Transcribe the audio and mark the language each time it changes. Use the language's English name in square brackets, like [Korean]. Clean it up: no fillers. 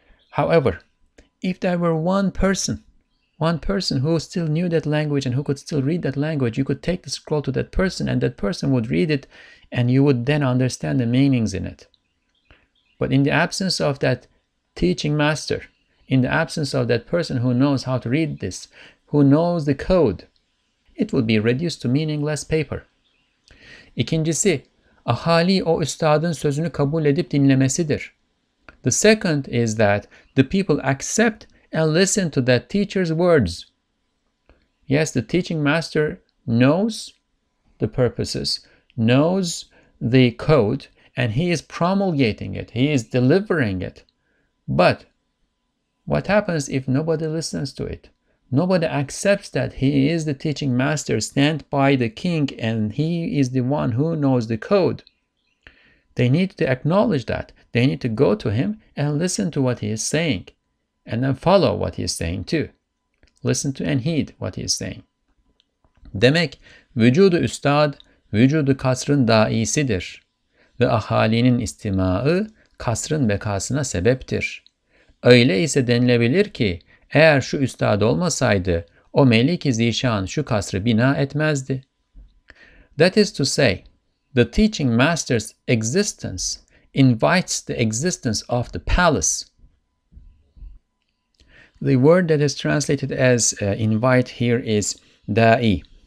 [English] However, if there were one person who still knew that language and who could still read that language, you could take the scroll to that person and that person would read it and you would then understand the meanings in it. But in the absence of that teaching master, in the absence of that person who knows how to read this, who knows the code, it will be reduced to meaningless paper. [Turkish] İkincisi, ahali o üstadın sözünü kabul edip dinlemesidir. [English] The second is that the people accept and listen to that teacher's words. Yes, the teaching master knows the purposes, knows the code, and he is promulgating it, he is delivering it. But what happens if nobody listens to it? Nobody accepts that he is the teaching master, stand by the king, and he is the one who knows the code. They need to acknowledge that. They need to go to him and listen to what he is saying, and then follow what he is saying too. Listen to and heed what he is saying. [Turkish] Demek, vücudu üstad, vücudu kasrın daisidir. Ve ahalinin istima'ı kasrın bekasına sebeptir. Öyle ise denilebilir ki, eğer şu üstad olmasaydı, o melik-i zişan şu kasrı bina etmezdi. [English] That is to say, the teaching master's existence invites the existence of the palace. The word that is translated as invite here is da'i.